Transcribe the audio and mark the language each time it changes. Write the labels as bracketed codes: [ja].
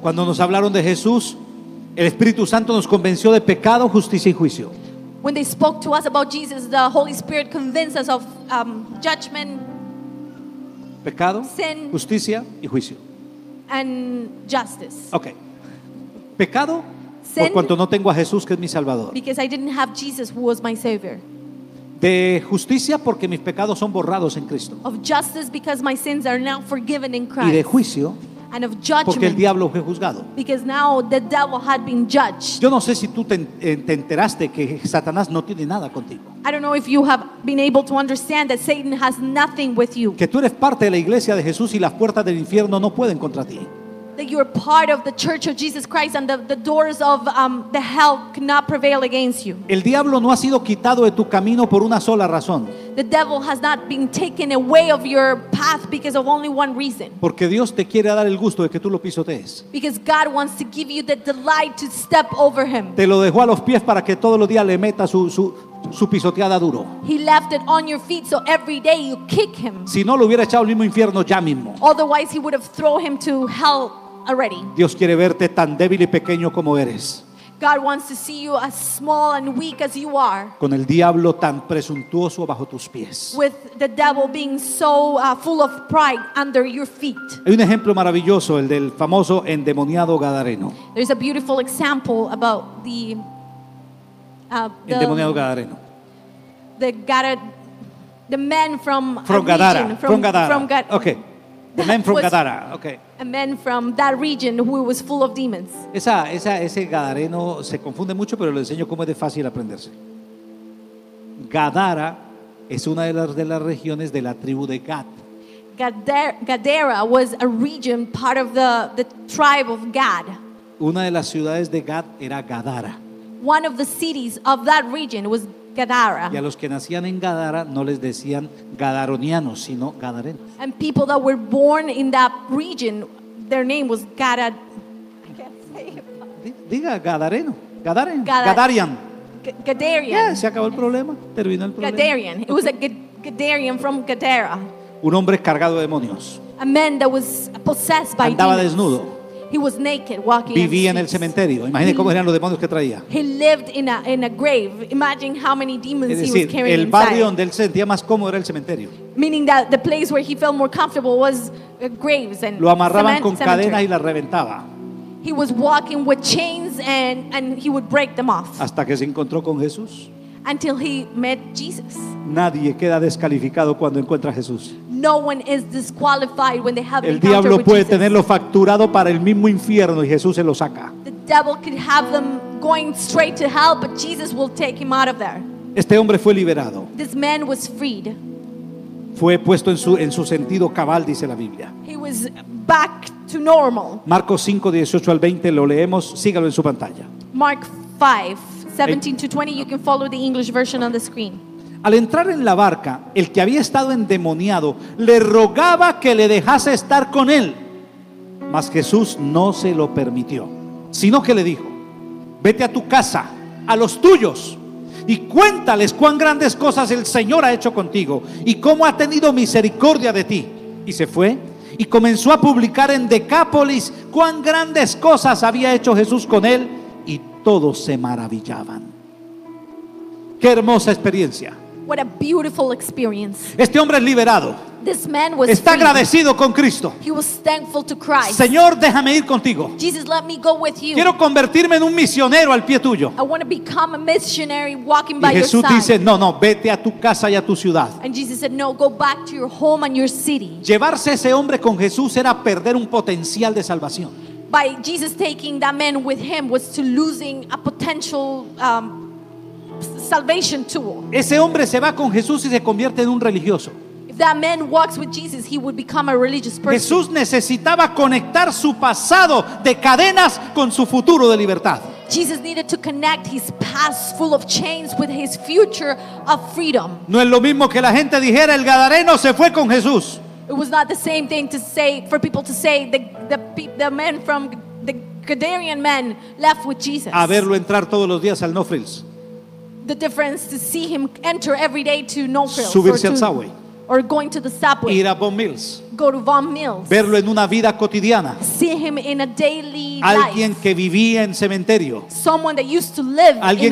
[es] Cuando nos hablaron de Jesús, el Espíritu Santo nos convenció de pecado, justicia y juicio. [en] When they spoke to us about Jesus, the Holy Spirit convinced us of judgment, [es] pecado, [en] sin, [es] justicia y juicio. [en] And justice. [es] Okay. Pecado, [en] sin, [es] por cuanto no tengo a Jesús que es mi Salvador. [en] Because I didn't have Jesus who was my Savior. [es] De justicia, porque mis pecados son borrados en Cristo. [en] Of justice, because my sins are now forgiven in Christ. [es] Y de juicio, [en] and of judgment, [es] porque el diablo fue juzgado. [en] Because now the devil had been judged. [es] Yo no sé si tú te enteraste que Satanás no tiene nada contigo. [en] I don't know if you have been able to understand that Satan has nothing with you. [es] Que tú eres parte de la iglesia de Jesús y las puertas del infierno no pueden contra ti. [en] That you are part of the church of Jesus Christ and the doors of the hell cannot prevail against you. [es] El diablo no ha sido quitado de tu camino por una sola razón. [en] The devil has not been taken away of your path because of only one reason. [es] Porque Dios te quiere dar el gusto de que tú lo pisotees. [en] Because God wants to give you the delight to step over him. [es] Te lo dejó a los pies para que todos los días le metas su pisoteada duro. [en] He left it on your feet so every day you kick him. [es] Si no, lo hubiera echado al mismo infierno ya mismo. [en] Otherwise he would have thrown him to hell already. [es] Dios quiere verte tan débil y pequeño como eres. [en] God wants to see you as small and weak as you are. [es] Con el diablo tan presuntuoso bajo tus pies. [en] With the devil being so full of pride under your feet. [es] Hay un ejemplo maravilloso, el del famoso endemoniado gadareno. [en] There's a beautiful example about the [es] endemoniado gadareno. [en] The man from Gadara. Region, Okay. The man from Gadara. Okay. A man from that region who was full of demons. [es] Ese gadareno se confunde mucho, pero le enseño cómo es de fácil aprenderse. Gadara es una de las regiones de la tribu de Gad. [en] Gadara was a region part of the tribe of Gad. [es] Una de las ciudades de Gad era Gadara. [en] One of the cities of that region was Gadara. [es] Y a los que nacían en Gadara no les decían gadaronianos, sino gadarenos. [en] And people that were born in that region, their name was Gadara. I can't say it. [es] Diga gadareno. [en] Gadarian. Gadarian. [es] Yeah, se acabó el problema. Terminó el problema. [en] Gadarian. It was a Gadarian from Gadara. [es] Un hombre cargado de demonios. [en] A man that was possessed by demons. [es] Andaba desnudo. [en] He was naked, walking. [es] Vivía en el cementerio. Imagine cómo eran los demonios que traía. [en] He lived in a grave. Imagine how many demons, [es] es decir, [en] he was carrying. [es] El barrio Donde él sentía más cómodo era el cementerio. [en] Meaning that the place where he felt more comfortable was graves and [es] lo amarraban [en] cement, [es] con [en] cemetery. [es] Cadenas y las reventaba. [en] He was walking with chains and he would break them off. [es] Hasta que se encontró con Jesús. [en] Until he met Jesus. [es] Nadie queda descalificado cuando encuentra a Jesús. [en] No one is disqualified when they have [es] el diablo puede tenerlo facturado para el mismo infierno y Jesús se lo saca. [en] The devil could have them going straight to hell, but Jesus will take him out of there. [es] Este hombre fue liberado. [en] This man was freed. [es] Fue puesto en su sentido cabal, dice la Biblia. [en] He was back to normal. [es] Marcos 5, 18 al 20, lo leemos, sígalo en su pantalla. [en] Mark 5:17-20, you can follow the English version on the screen. [es] Al entrar en la barca, el que había estado endemoniado le rogaba que le dejase estar con él, mas Jesús no se lo permitió, sino que le dijo: vete a tu casa, a los tuyos, y cuéntales cuán grandes cosas el Señor ha hecho contigo y cómo ha tenido misericordia de ti. Y se fue y comenzó a publicar en Decápolis cuán grandes cosas había hecho Jesús con él, y todos se maravillaban. Qué hermosa experiencia. [en] What a beautiful experience. [es] Este hombre es liberado. [en] This man was [es] está [en] free. [es] Agradecido con Cristo. [en] He was thankful to Christ. [es] Señor, déjame ir contigo. [en] Jesus, let me go with you. [es] Quiero convertirme en un misionero al pie tuyo. [en] I want to become a missionary walking by your side. [es] Jesús dice, no, vete a tu casa y a tu ciudad. [en] And Jesus said, no, go back to your home and your city. [es] Llevarse ese hombre con Jesús era perder un potencial de salvación. [en] By Jesus taking that man with him was to losing a potential salvation tool. [es] Ese hombre se va con Jesús y se convierte en un religioso. [en] If that man walks with Jesus, he would become a religious person. [es] Jesús necesitaba conectar su pasado de cadenas con su futuro de libertad. [en] Jesus needed to connect his past full of chains with his future of freedom. [es] No es lo mismo que la gente dijera el gadareno se fue con Jesús. [en] It was not the same thing to say for people to say the men from the Gadarian men left with Jesus. [es] A verlo entrar todos los días al No Frills. [en] The difference to see him enter every day to No Frills. [es] Subirse al subway. [en] Or going to the subway. [es] Ir a Von Mills. [en] Go to Von Mills. [es] Verlo en una vida cotidiana. [en] See him in a daily life. [es] Alguien que vivía en cementerio. [en] Someone that used to live in a